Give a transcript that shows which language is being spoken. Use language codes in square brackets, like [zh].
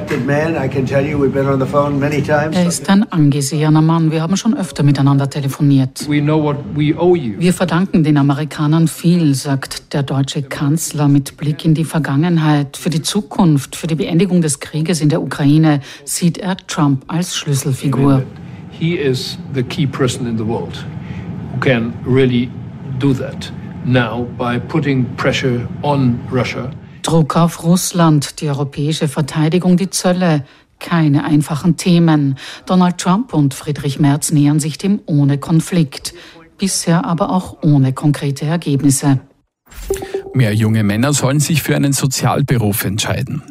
[de] Er ist ein angesehener Mann, wir haben schon öfter miteinander telefoniert. Wir verdanken den Amerikanern viel, sagt der deutsche Kanzler mit Blick in die Vergangenheit. Für die Zukunft, für die Beendigung des Krieges in der Ukraine sieht er Trump als Schlüsselfigur. [en] He is the key person in the world who can really do that now by putting pressure on Russia. [de] Druck auf Russland, die europäische Verteidigung, die Zölle, keine einfachen Themen. Donald Trump und Friedrich Merz nähern sich dem ohne Konflikt, bisher aber auch ohne konkrete Ergebnisse. Mehr junge Männer sollen sich für einen Sozialberuf entscheiden.